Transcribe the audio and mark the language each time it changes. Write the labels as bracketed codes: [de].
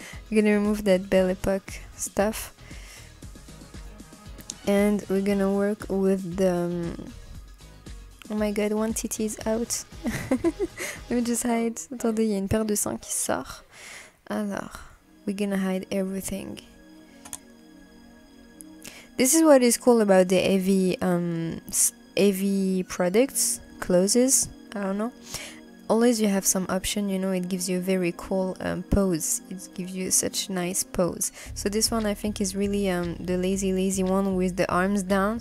[en] We're gonna remove that Belle Époque stuff, and we're gonna work with the. Oh my god, one titty is out. Let me just hide. [fr] Attendez, il y a une paire de seins qui sort. [en] Alors, we're gonna hide everything. This is what is cool about the heavy, heavy products, clothes, I don't know. Always you have some option, you know, it gives you a very cool pose. It gives you such nice pose. So this one I think is really the lazy one with the arms down.